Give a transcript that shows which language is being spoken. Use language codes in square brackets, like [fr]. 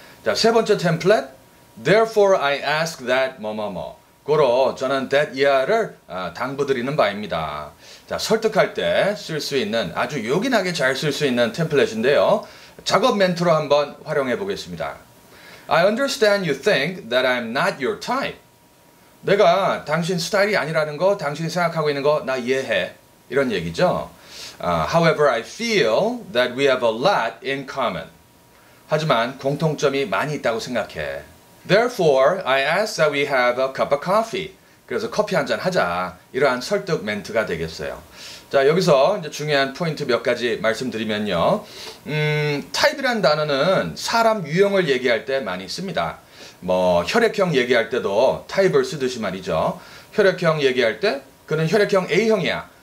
[ko] 자, 세 번째 템플릿. [en] Therefore, I ask that [ko] 뭐뭐뭐. 고로 저는 that 이하를 당부드리는 바입니다. 자, 설득할 때 쓸 수 있는 아주 요긴하게 잘 쓸 수 있는 템플릿인데요. 작업 멘트로 한번 활용해 보겠습니다. [en] I understand you think that I'm not your type. [ko] 내가 당신 스타일이 아니라는 거, 당신이 생각하고 있는 거 나 이해해. 이런 얘기죠. [en] However, I feel that we have a lot in common. [ko] 하지만 공통점이 많이 있다고 생각해. [en] Therefore, I ask that we have a cup of coffee. [ko] 그래서 커피 한잔 하자. 이러한 설득 멘트가 되겠어요. 자, 여기서 이제 중요한 포인트 몇 가지 말씀드리면요. 타입이란 단어는 사람 유형을 얘기할 때 많이 씁니다. 뭐 혈액형 얘기할 때도 타입을 쓰듯이 말이죠. 혈액형 얘기할 때 그는 혈액형 A형이야.